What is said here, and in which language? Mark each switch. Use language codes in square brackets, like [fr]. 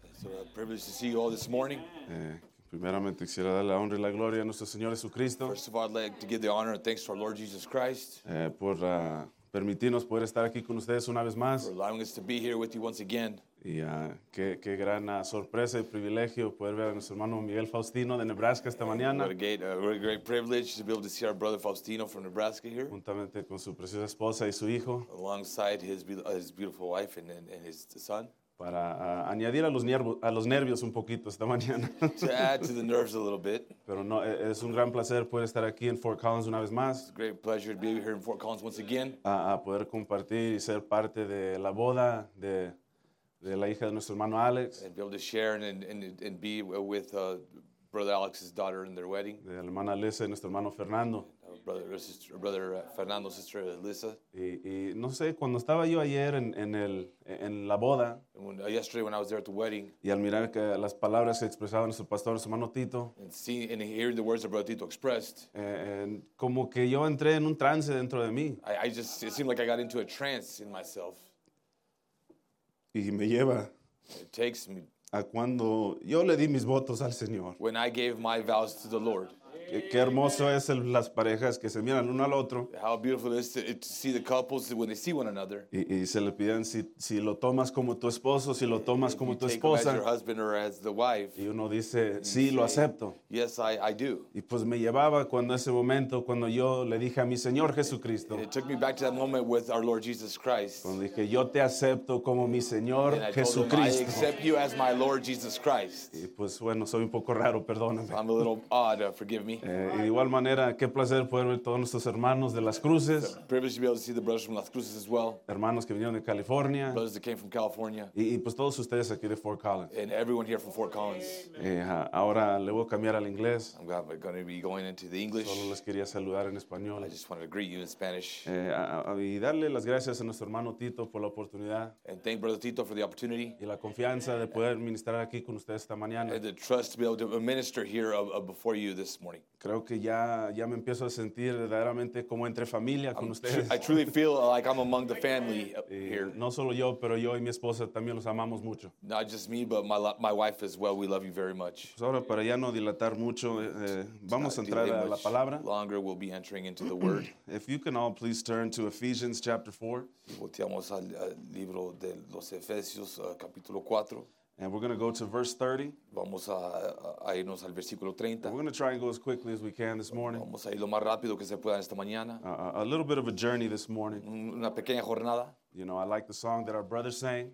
[en] So a privilege to see you all this morning. [es] Primeramente quisiera dar la honra y la gloria a nuestro Señor Jesucristo. [en] First of all, I'd like to give the honor and thanks to our Lord Jesus Christ. [es] Por permitirnos poder estar aquí con ustedes una vez más. [en] For allowing us to be here with you once again. [es] Y qué gran sorpresa y privilegio poder ver a nuestro hermano Miguel Faustino de Nebraska esta mañana. [en] What a great privilege to be able to see our brother Faustino from Nebraska here. [es] Juntamente con su preciosa esposa y su hijo. [en] Alongside his beautiful wife and his son. [es] Para añadir a los nervios un poquito esta mañana. [en] To add to the nerves a little bit. [es] Pero no, es un gran placer poder estar aquí en Fort Collins una vez más. [en] It's a great pleasure to be here in Fort Collins once again. [es] A poder compartir y ser parte de la boda de la hija de nuestro hermano Alex. [en] And be able to share and be with Brother Alex's daughter in their wedding. [es] De hermana Lisa y nuestro hermano Fernando. [en] Brother Fernando, sister Lisa. [es] Y no sé, cuando estaba yo ayer en la boda. [en] Yesterday when I was there at the wedding. [es] Y al mirar que las palabras que expresaba nuestro pastor, nuestro hermano Tito. [en] And hearing the words that Brother Tito expressed. [es] And como que yo entré en un trance dentro de mí. [en] It seemed like I got into a trance in myself. [es] Y me lleva. [en] It takes me. [es] A cuando yo le di mis votos al Señor. [en] When I gave my vows to the Lord. [es] Qué hermoso es las parejas que se miran uno al otro. [en] How beautiful it is to see the couples when they see one another. [es] Y se le piden si lo tomas como tu esposo, si lo tomas como tu esposa. [en] As your husband or as the wife. [es] Y uno dice, sí, lo acepto. [en] Yes, I do. [es] Y pues me llevaba cuando ese momento, cuando yo le dije a mi Señor Jesucristo. [en] It took me back to that moment with our Lord Jesus Christ. [es] Cuando dije, yo te acepto como mi Señor Jesucristo. [en] I accept you as my Lord Jesus Christ. [es] Y pues bueno, soy un poco raro, perdóname. [en] I'm a little odd, forgive me. [es] Y de igual manera, qué placer poder ver todos nuestros hermanos de Las Cruces. [en] Privilege to be able to see the brothers from Las Cruces as well. [es] Hermanos que vinieron de California. [en] Brothers that came from California. [es] Y pues todos ustedes aquí de Fort Collins. [en] And everyone here from Fort Collins. [es] Ahora le voy a cambiar al inglés. [en] I'm going to be going into the English. [es] Solo les quería saludar en español. [en] I just wanted to greet you in Spanish. [es] Y darle las gracias a nuestro hermano Tito por la oportunidad. [en] And thank Brother Tito for the opportunity. [es] Y la confianza de poder ministrar aquí con ustedes esta mañana. [en] And the trust to be able to minister here before you this morning. [es] Creo que ya me empiezo a sentir verdaderamente como entre familia con ustedes. [en] I truly feel like I'm among the family here. [es] No solo yo, pero yo y mi esposa también los amamos mucho. [en] Not just me, but my wife as well. We love you very much. [es] Pues ahora, para ya no dilatar mucho, vamos a entrar a la palabra. [en] Longer, we'll be entering into the word. If you can all please turn to Ephesians chapter 4. [es] Si volteamos al libro de los Efesios, capítulo 4. [en] And we're going to go to verse 30. [es] Vamos a irnos al versículo 30. [en] We're going to try and go as quickly as we can this morning. [es] Vamos a ir lo más rápido que se pueda esta mañana. [en] A little bit of a journey this morning. [es] Una pequeña jornada. [en] You know, I like the song that our brother sang.